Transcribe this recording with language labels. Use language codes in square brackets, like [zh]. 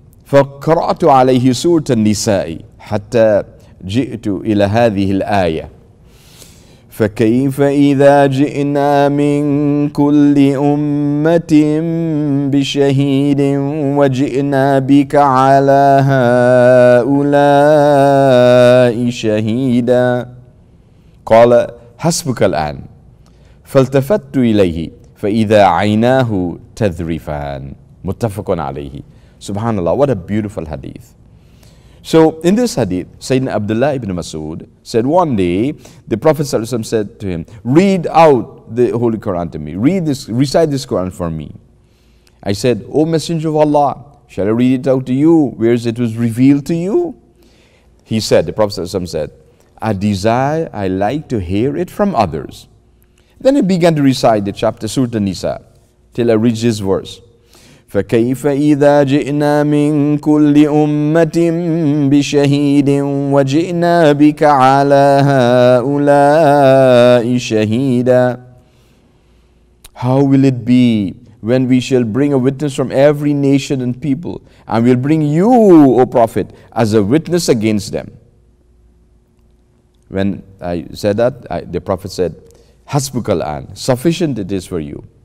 [ar] فقرأت عليه سورة النساء حتى جئت إلى هذه الآية فكيف إذا جئنا من كل أمة بشهيد وجئنا بك على هؤلاء شهيدا قال حسبك الآن فالتفت إليه فإذا عيناه تذرفان متفق عليه. [en] Subhanallah, what a beautiful hadith. So in this hadith, Sayyidina Abdullah ibn Mas'ud said, one day the Prophet ﷺ said to him, read out the Holy Quran to me. Read this, recite this Quran for me. I said, O Messenger of Allah, shall I read it out to you, whereas it was revealed to you? He said, the Prophet ﷺ said, I desire, I like to hear it from others. Then he began to recite the chapter Surah An-Nisa till I reached this verse. [ar] فكيف إذا جئنا من كل أمة بشهيد وجئنا بك على هؤلاء شهيدا. [en] How will it be when we shall bring a witness from every nation and people, and we'll bring you, O Prophet, as a witness against them. When I said that, the Prophet said, Hasbuk al-an, sufficient it is for you.